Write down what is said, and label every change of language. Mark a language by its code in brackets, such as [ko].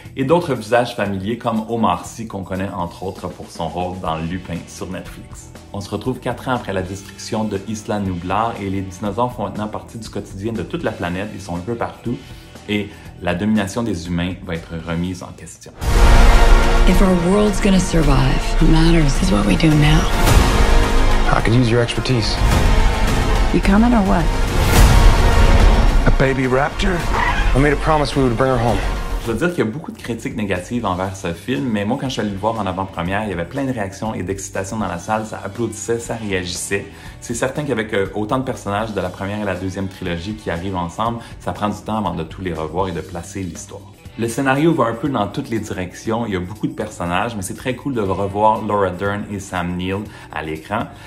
[fr] Et d'autres visages familiers comme Omar Sy, qu'on connaît entre autres pour son rôle dans Lupin sur Netflix. On se retrouve 4 ans après la destruction de Isla Nublar et les dinosaures font maintenant partie du quotidien de toute la planète. Ils sont un peu partout et la domination des humains va être remise en question. [en] If our world's gonna survive, what matters is what we do now. I could use your expertise. You coming or what? A baby raptor? I made a promise we would bring her home. [fr] Je veux dire qu'il y a beaucoup de critiques négatives envers ce film, mais moi, quand je suis allé le voir en avant-première, il y avait plein de réactions et d'excitation dans la salle, ça applaudissait, ça réagissait. C'est certain qu'avec autant de personnages de la première et la deuxième trilogie qui arrivent ensemble, ça prend du temps avant de tous les revoir et de placer l'histoire. Le scénario va un peu dans toutes les directions, il y a beaucoup de personnages, mais c'est très cool de revoir Laura Dern et Sam Neill à l'écran.